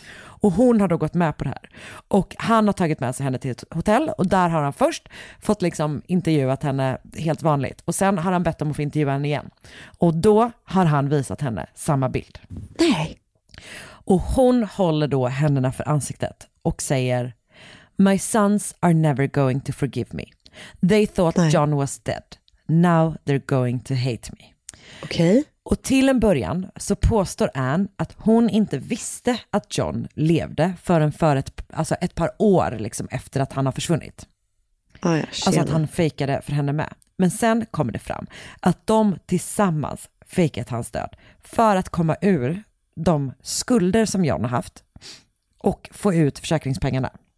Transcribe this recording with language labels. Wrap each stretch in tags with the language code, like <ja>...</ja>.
<sv>Och hon har då gått med på det här. Och han har tagit med sig henne till ett hotell och där har han först fått liksom intervjuat henne helt vanligt. Och sen har han bett om att få intervjua henne igen. Och då har han visat henne samma bild. Nej. Och hon håller då händerna för ansiktet och säger,</sv> <en>"My sons are never going to forgive me. They thought John was dead. Now they're going to hate me."</en> <sv>Okej. Och till en början så påstår Anne att hon inte visste att John levde förrän för ett, alltså ett par år liksom efter att han har försvunnit. Alltså att han fejkade för henne med. Men sen kommer det fram att de tillsammans fejkat hans död för att komma ur de skulder som John har haft och få ut försäkringspengarna.</sv>